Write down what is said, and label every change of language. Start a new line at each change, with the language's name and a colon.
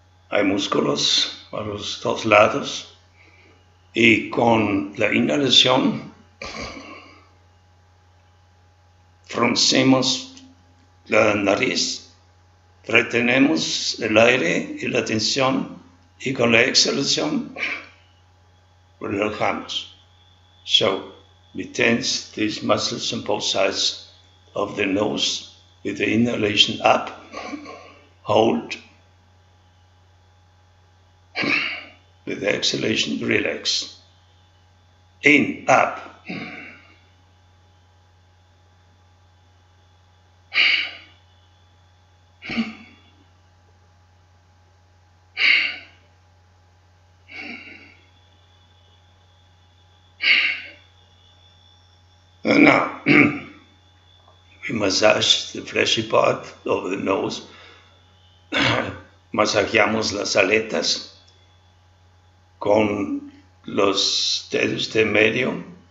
Spanish: Hay músculos a los dos lados y con la inhalación fruncimos la nariz, retenemos el aire y la tensión y con la exhalación relajamos.
English: So, we tense these muscles on both sides of the nose with the inhalation up, hold, with the exhalation relax, in, up, and now, we massage the fleshy part of the nose.
Spanish: Masajeamos las aletas con los dedos de medio.